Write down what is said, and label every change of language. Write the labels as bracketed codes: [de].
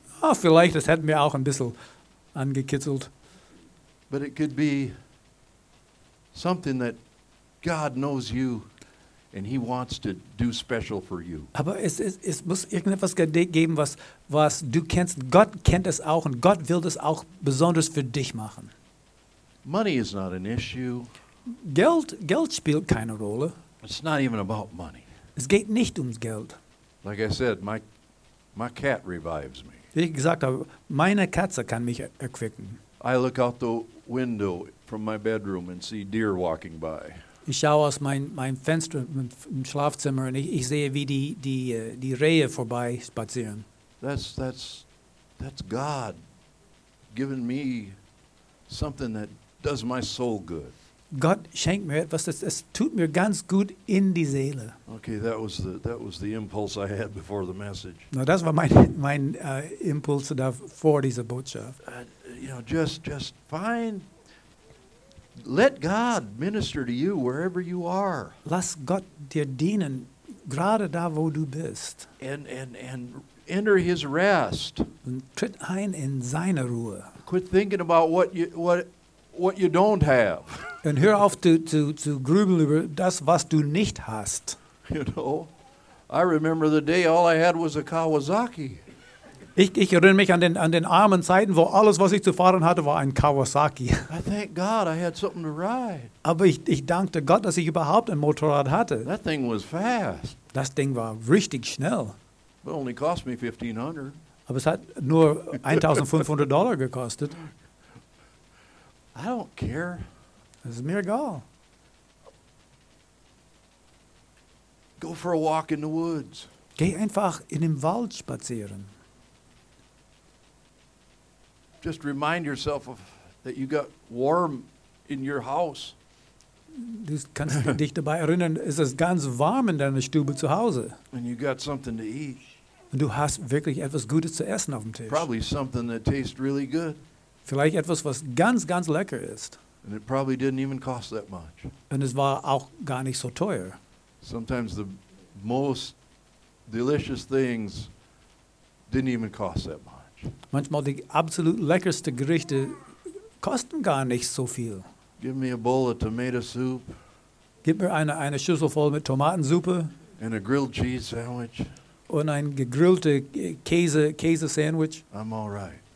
[de] Oh, vielleicht, das hätte mir auch ein bisschen angekitzelt. [en] But it could be something that God knows you and he wants to do special for you. [de] Aber es muss irgendetwas geben, was du kennst. Gott kennt es auch und Gott will das auch besonders für dich machen. [en] Money is not an issue. [de] Geld spielt keine Rolle. [en] It's not even about money. [de] Es geht nicht ums Geld. [en] Like I said, my cat revives me. [de] Wie ich gesagt habe, meine Katze kann mich erquicken. [en] I look out the window from my bedroom and see deer walking by. [de] Ich schaue aus mein Fenster im Schlafzimmer und ich sehe, wie die Rehe vorbei spazieren. [en] That's God giving me something that does my soul good. [de] Gott schenkt mir etwas, das tut mir ganz gut in die Seele. [en] Okay, that was the impulse I had before the message. [de] No, das war mein Impuls davor, diese Botschaft. [en] You know, just find Let God minister to you wherever you are. [de] Lass Gott dir dienen, gerade da wo du bist. [en] And enter his rest. [de] Und tritt ein in seine Ruhe. [en] Quit thinking about what you don't have. [de] Und hör auf zu grübeln über das, was du nicht hast. [en] You know, I remember the day all I had was a Kawasaki. [de] Ich erinnere mich an den armen Zeiten, wo alles, was ich zu fahren hatte, war ein Kawasaki. [en] I thank God I had something to ride. [de] Aber ich dankte Gott, dass ich überhaupt ein Motorrad hatte. [en] That thing was fast. [de] Das Ding war richtig schnell. [en] It only cost me $1,500. [de] Aber es hat nur $1,500 gekostet. [en] I don't care. [de] Es ist mir egal. [en] Go for a walk in the woods. [de] Geh einfach in dem Wald spazieren. [en] Just remind yourself of that you got warm in your house. [de] Du kannst dich dabei erinnern, es ist ganz warm in deiner Stube zu Hause. [en] And you got something to eat. [de] Und du hast wirklich etwas Gutes zu essen auf dem Tisch. [en] Probably something that tastes really good. [de] Vielleicht etwas, was ganz, ganz lecker ist. [en] And it probably didn't even cost that much. [de] Und es war auch gar nicht so teuer. [en] Sometimes the most delicious things didn't even cost that much. [de] Manchmal die absolut leckerste Gerichte kosten gar nicht so viel. [en] Give me a bowl of tomato soup. [de] Gib mir eine Schüssel voll mit Tomatensuppe. [en] And a grilled cheese sandwich. [de] Und ein gegrillte Käse Sandwich. [en] I'm all right.